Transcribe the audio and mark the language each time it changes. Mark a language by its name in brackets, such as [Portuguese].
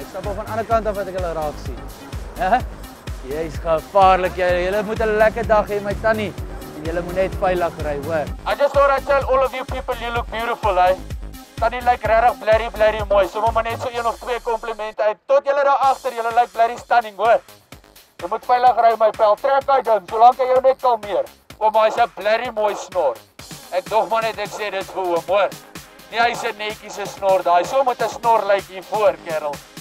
[Afrikaans] Ek stap al van ander kant af wat ek hulle raak sien. Jy is gevaarlik, jylle moet een lekker dag hee, my tannie. En jylle moet net veilig rij, hoor. [English] I just thought I'd tell all of you people, you look beautiful, hey. [Afrikaans] Tannie lyk rarig blerrie mooi, so moet maar net so 1 of 2 complimente uit. Tot jylle daar achter, jylle lyk blerrie stunning, hoor. Jy moet veilig rij, my pel, trek uit hem, solank jy jou net kalmeer. Oom, hy is een blerrie mooi snor. Ek dacht maar net, ek sê dit vir oom, hoor. Nie, hy is een nekies snor daar, so moet een snor lyk hiervoor, kerel.